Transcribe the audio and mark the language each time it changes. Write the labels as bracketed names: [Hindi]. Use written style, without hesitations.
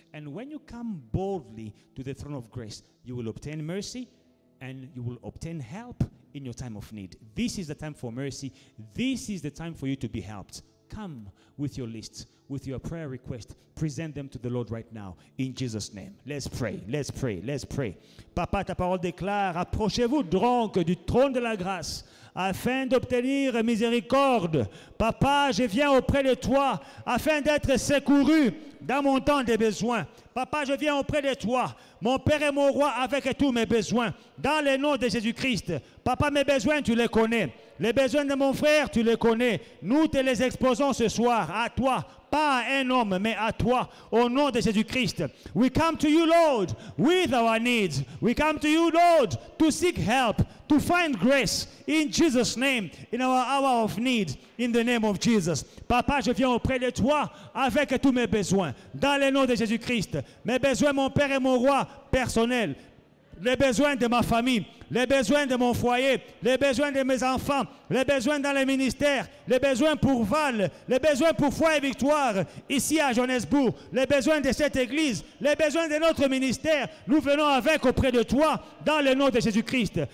[English] And when you come boldly to the throne of grace, you will obtain mercy and you will obtain help in your time of need. This is the time for mercy. This is the time for you to be helped. Come with your list, with your prayer request. Present them to the Lord right now in Jesus' name. Let's pray. Let's pray. Let's pray. [French] Papa, ta parole déclare, approchez-vous donc du trône de la grâce afin d'obtenir miséricorde. Papa, je viens auprès de toi afin d'être secouru dans mon temps de besoin. Papa, je viens auprès de toi, mon Père et mon Roi, avec tous mes besoins. Dans le nom de Jésus-Christ, Papa, mes besoins, tu les connais. Les besoins de mon frère, tu les connais. Nous te les exposons ce soir à toi, pas à un homme, mais à toi, au nom de Jésus-Christ. [English] We come to you, Lord, with our needs. We come to you, Lord, to seek help, to find grace, in Jesus' name, in our hour of need, in the name of Jesus. [French] Papa, je viens auprès de toi avec tous mes besoins, dans le nom de Jésus-Christ. Mes besoins, mon Père et mon Roi, personnels. Les besoins de ma famille, les besoins de mon foyer, les besoins de mes enfants, les besoins dans les ministères, les besoins pour Val, les besoins pour Foi et Victoire, ici à Johannesburg, les besoins de cette église, les besoins de notre ministère, nous venons avec auprès de toi, dans le nom de Jésus-Christ.